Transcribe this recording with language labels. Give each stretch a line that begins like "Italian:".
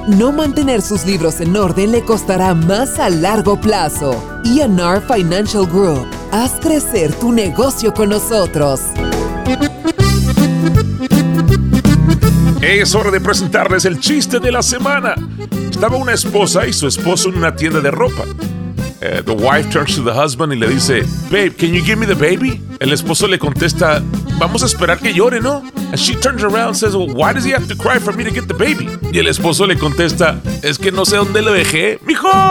Spanish: No mantener sus libros en orden le costará más a largo plazo. ENR Financial Group. Haz crecer tu negocio con nosotros. Es hora de presentarles el chiste de la semana. Estaba una esposa y su esposo en una tienda de ropa.
English: The wife turns to the husband
Spanish: y le dice,
English: "Babe, can you give me the baby?"
Spanish: El esposo le contesta, "Vamos a esperar que llore, ¿no?"
English: And she turns around and says, "Well, why does he have to cry for me to get the baby?"
Spanish: Y el esposo le contesta, "Es que no sé dónde lo dejé, mijo."